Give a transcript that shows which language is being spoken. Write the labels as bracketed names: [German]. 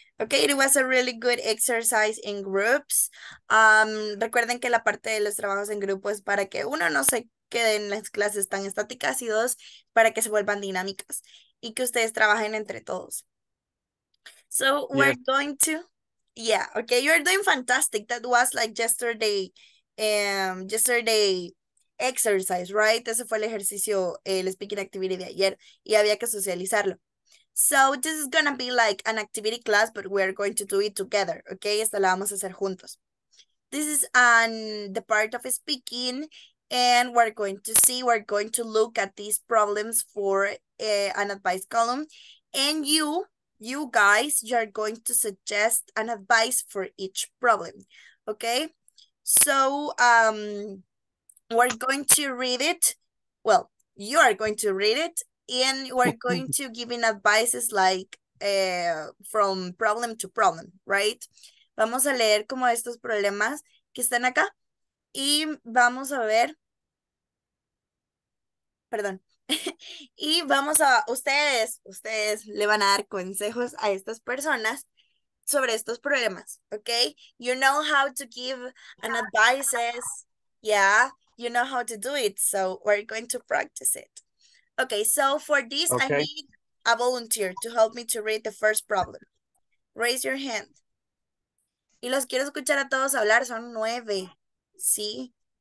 [English] Okay, it was a really good exercise in groups. [Spanish] Recuerden que la parte de los trabajos en grupo es para que uno no se quede en las clases tan estáticas y dos, para que se vuelvan dinámicas y que ustedes trabajen entre todos. [English] So we're going to... Yeah, okay, you're doing fantastic. That was like yesterday exercise, right? [Spanish] Ese fue el ejercicio, el speaking activity de ayer, y había que socializarlo. [English] So this is gonna be like an activity class, but we're going to do it together, okay? Esta la vamos a hacer juntos. This is on the part of speaking, and we're going to see, we're going to look at these problems for an advice column, and you guys, you're going to suggest an advice for each problem, okay? So, we're going to read it. Well, you are going to read it, and we're going to give in advices like from problem to problem, right? [Spanish] Vamos a leer como estos problemas que están acá, y vamos a ver... Perdón. Y vamos a, ustedes le van a dar consejos a estas personas sobre estos problemas, okay? [English] You know how to give an advices, yeah, you know how to do it, so we're going to practice it. Okay, so for this, okay. I need a volunteer to help me to read the first problem. Raise your hand. [Spanish] Y los quiero escuchar a todos hablar, son 9, ¿sí?